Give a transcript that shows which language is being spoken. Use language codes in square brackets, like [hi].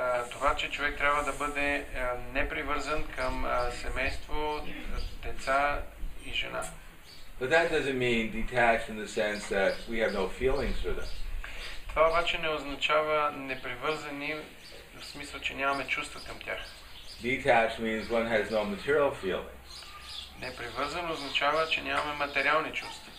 [bg] Това, че човек трябва да бъде непривързан към семейство, деца и жена. [en] But that doesn't mean detached in the sense that we have no feelings for them. [bg] Това обаче не означава непривързани, в смисъл, че нямаме чувства към тях. [en] Detached means one has no material feelings. [bg] Непривързан означава, че нямаме материални чувства.